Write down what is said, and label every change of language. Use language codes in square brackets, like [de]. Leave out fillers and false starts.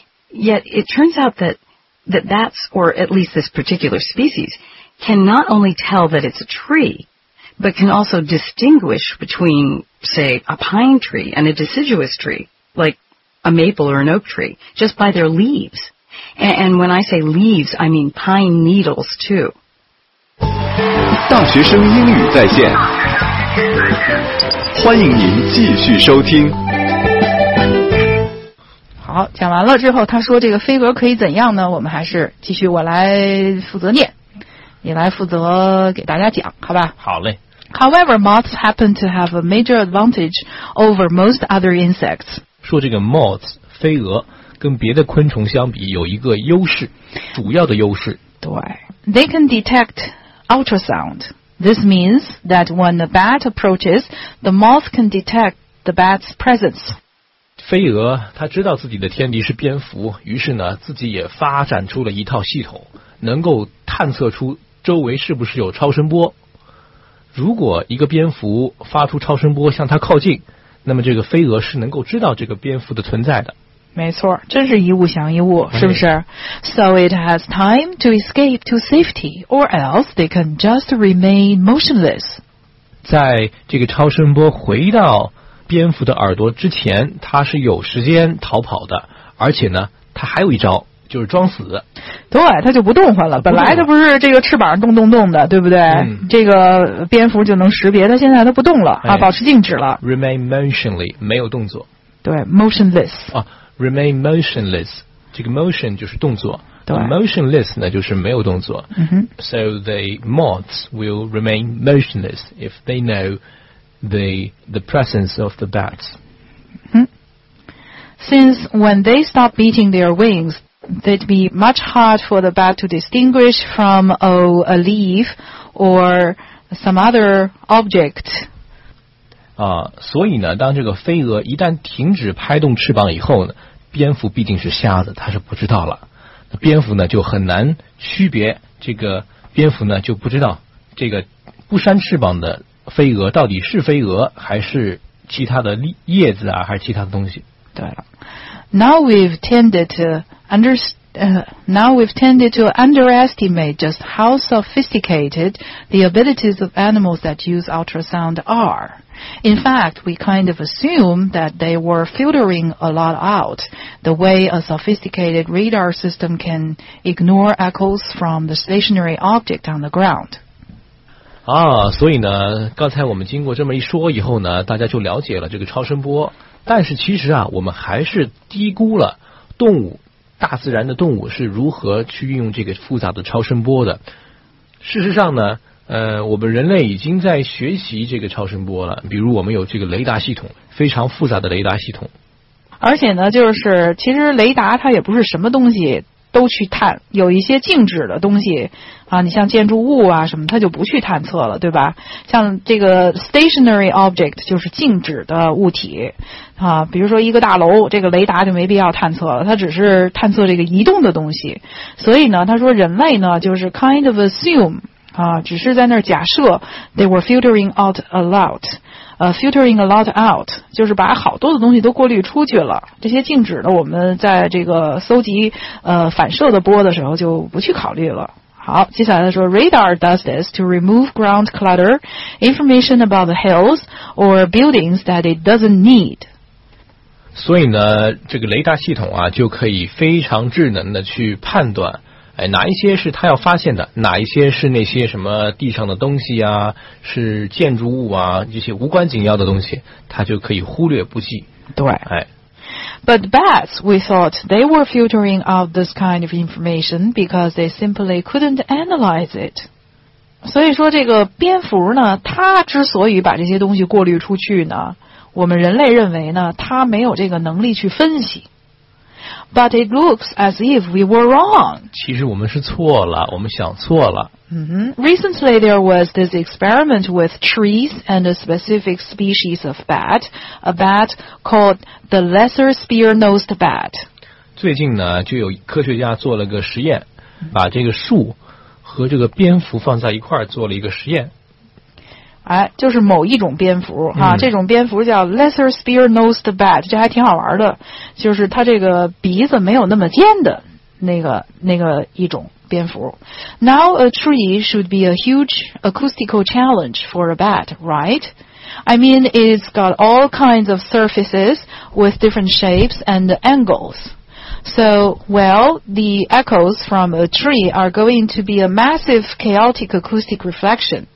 [en] Yet it turns out that bats, or at least this particular species, can not only tell that it's a tree, but can also distinguish between, say, a pine tree and a deciduous tree, like a maple or an oak tree, just by their leaves. And when I say leaves, I mean pine needles, too. [zh] 大学生英语在线，欢迎您继续收听。好，讲完了之后，他说这个飞蛾可以怎样呢？我们还是继续，我来负责念，你来负责给大家讲，好吧？好嘞。 [en] However, moths happen to have a major advantage over most other insects. [zh] 说这个 moths 飞蛾跟别的昆虫相比有一个优势，主要的优势。对 [en] ，they can detect. Ultrasound. This means that when a bat approaches, the moth can detect the bat's presence. [zh] 飞蛾它知道自己的天敌是蝙蝠，于是呢自己也发展出了一套系统，能够探测出周围是不是有超声波。如果一个蝙蝠发出超声波向它靠近，那么这个飞蛾是能够知道这个蝙蝠的存在的。没错，真是一物降一物，是不是、okay. [en] So it has time to escape to safety, or else they can just remain motionless. [zh] 在这个超声波回到蝙蝠的耳朵之前，它是有时间逃跑的，而且呢，它还有一招，就是装死。对，它就不动换了。本来它不是这个翅膀动动动的，对不对？嗯、这个蝙蝠就能识别，它现在它不动了、哎、啊，保持静止了。 [en] Remain motionless, [zh] 没有动作。对 ，motionless。 [en] 啊。Remain motionless. [zh] 这个 motion 就是动作。对。 Motionless 呢就是没有动作。嗯哼。 [en] So the moths will remain motionless if they know the presence of the bats. 嗯。 Since when they stop beating their wings, it'd be much hard for the bat to distinguish from a leaf or some other object. [zh] 啊，所以呢，当这个飞蛾一旦停止拍动翅膀以后呢。蝙蝠毕竟是瞎子，他是不知道了。那蝙蝠呢，就很难区别这个蝙蝠呢，就不知道这个不扇翅膀的飞蛾到底是飞蛾还是其他的叶子啊，还是其他的东西。对了 [en] ，Now we've tended to underestimate just how sophisticated the abilities of animals that use ultrasound are. In fact, we kind of assume that they were filtering a lot out, the way a sophisticated radar system can ignore echoes from the stationary object on the ground. [zh] 啊，所以呢，刚才我们经过这么一说以后呢，大家就了解了这个超声波。但是其实啊，我们还是低估了动物，大自然的动物是如何去运用这个复杂的超声波的。事实上呢。我们人类已经在学习这个超声波了，比如我们有这个雷达系统，非常复杂的雷达系统。而且呢，就是其实雷达它也不是什么东西都去探，有一些静止的东西啊，你像建筑物啊什么，它就不去探测了，对吧？像这个 [en] stationary object [zh] 就是静止的物体啊，比如说一个大楼，这个雷达就没必要探测了，它只是探测这个移动的东西。所以呢，他说人类呢就是 [en] kind of assume [zh] 啊，只是在那儿假设 [en] they were filtering out a lot。 Filtering a lot out [zh] 就是把好多的东西都过滤出去了，这些静止的我们在这个搜集反射的波的时候就不去考虑了。好，接下来他说 [en] Radar does this to remove ground clutter, information about the hills or buildings that it doesn't need。 [zh] 所以呢这个雷达系统啊就可以非常智能的去判断，哎，哪一些是他要发现的，哪一些是那些什么地上的东西啊，是建筑物啊，这些无关紧要的东西他就可以忽略不计。对，哎。 [en] But bats, we thought they were filtering out this kind of information because they simply couldn't analyze it. [zh] 所以说这个蝙蝠呢，他之所以把这些东西过滤出去呢，我们人类认为呢，他没有这个能力去分析。 [en] But it looks as if we were wrong. [zh] 其实我们是错了，我们想错了。 [en] Recently, there was this experiment with trees and a specific species of bat, a bat called the lesser spear-nosed bat. [zh] 最近呢，就有科学家做了个实验，把这个树和这个蝙蝠放在一块儿做了一个实验。哎，就是某一种蝙蝠啊，这种蝙蝠叫 lesser spear-nosed bat， 这还挺好玩的，就是它这个鼻子没有那么尖的那个一种蝙蝠。 [en] Now a tree should be a huge acoustical challenge for a bat, right? I mean, it's got all kinds of surfaces with different shapes and angles. So, well, the echoes from a tree are going to be a massive chaotic acoustic reflection.